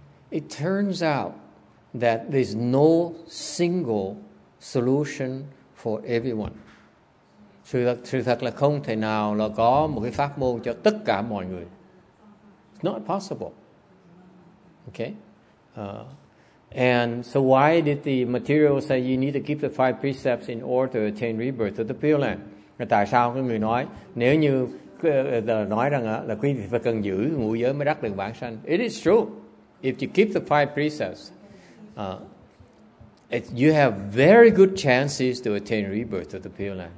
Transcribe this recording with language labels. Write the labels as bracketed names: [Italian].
[English] It turns out that there's no single solution for everyone. [Vietnamese] Sự thật là không thể nào là có một cái pháp môn cho tất cả mọi người. [English] It's not possible. Okay? And so why did the material say you need to keep the five precepts in order to attain rebirth to the Pure Land? [Vietnamese] Tại sao cái người nói nếu như nói rằng là quý vị phải cần giữ ngũ giới mới đắc được vãng sanh? [English] It is true. If you keep the five precepts, you have very good chances to attain rebirth of the Pure Land.